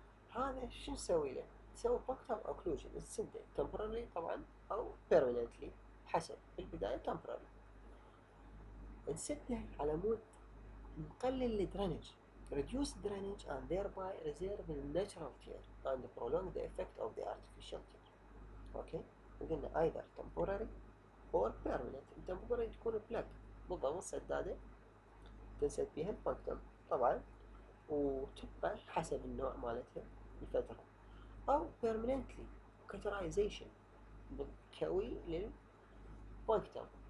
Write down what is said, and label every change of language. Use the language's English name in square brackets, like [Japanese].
[Arabic] هذا شو نسوي له؟ نسوي بنكتوم اوكلوجن السنده تمبرالي طبعا او بيرمننتلي، حسب البدايه تمبرالي نسده على مود نقلل الدرينج، [English] reduce drainage and thereby reserve the natural tear and prolong the effect of the artificial tear. Okay، [Arabic] قلنا [English] either temporary or permanent. [Arabic] temporary تكون بلاك بالضبط سدادة تنسد بها البنكتوم طبعا، وتبقى حسب النوع مالتها الفترة. أو [English] permanently cauterization [Arabic] كوي للبنكتوم.